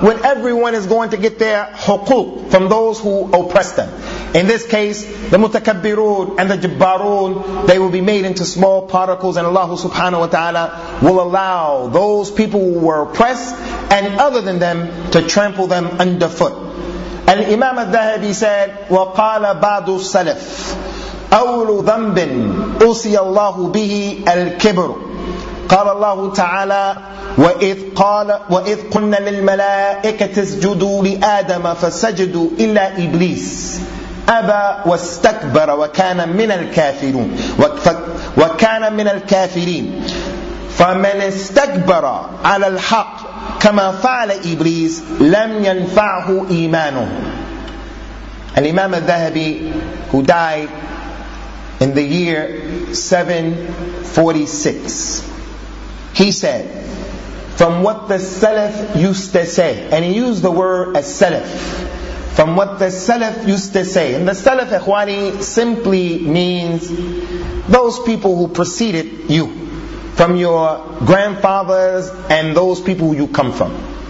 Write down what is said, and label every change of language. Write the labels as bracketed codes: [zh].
[en] when everyone is going to get their huquq from those who oppress them. In this case, the mutakabbirun and the jabbarun, they will be made into small particles, and Allah subhanahu wa ta'ala will allow those people who were oppressed and other than them to trample them underfoot. And Imam al-Dhahabi said, [ar] وَقَالَ بَعْضُ السَّلَفِ أَوْلُ ذَنْبٍ أُسِيَ اللَّهُ بِهِ الْكِبْرُ قال الله تعالى وإذ قال وإذ قلنا للملائكة اسجدوا لآدم فسجدوا إلا إبليس أبى واستكبر وكان من الكافرين وكان من الكافرين فمن استكبر على الحق كما فعل إبليس لم ينفعه إيمانه. [en] الإمام الذهبي, who died in the year 746, he said, from what the Salaf used to say, and he used the word as Salaf, from what the Salaf used to say, and the Salaf, Ikhwani, simply means those people who preceded you, from your grandfathers and those people you come from.